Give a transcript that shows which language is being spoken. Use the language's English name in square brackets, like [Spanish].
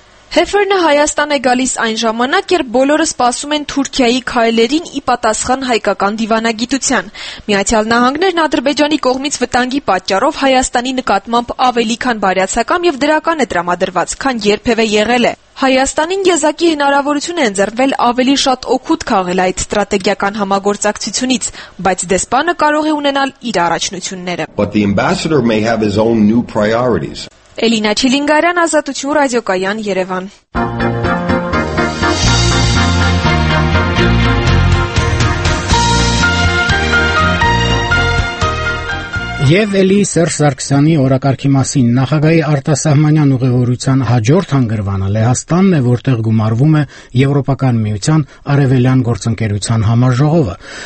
[Armenian] Հեֆերնը Հայաստան է գալիս այն ժամանակ, երբ բոլորը սպասում են Թուրքիայի քայլերին ի պատասխան հայկական դիվանագիտության։ Միացյալ Նահանգներն Ադրբեջանի կողմից վտանգի պատճառով Հայաստանի նկատմամբ ավելի քան բարյացակամ եւ դրական է տրամադրված, քան երբևէ եղել է։ Հայաստանին եզակի հնարավորություն է ընձեռվել ավելի շատ օգուտ քաղել այդ ստրատեգիական համագործակցությունից, բայց դեսպանը կարող է ունենալ իր առաջնությունները։ [English] But the ambassador may have his own new priorities. [Armenian] Էլինա Չիլինգարյան, Ազատություն ռադիոկայան, Երևան։ Երևան։ Եվ էլի Սերժ Սարգսյանի օրակարգի մասին Նախագահի արտասահմանյան ուղևորության հաջորդ հանգրվանը Լեհաստանն է, որտեղ գումարվում է Եվրոպական միության արևելյան գործընկերության համաժողովը։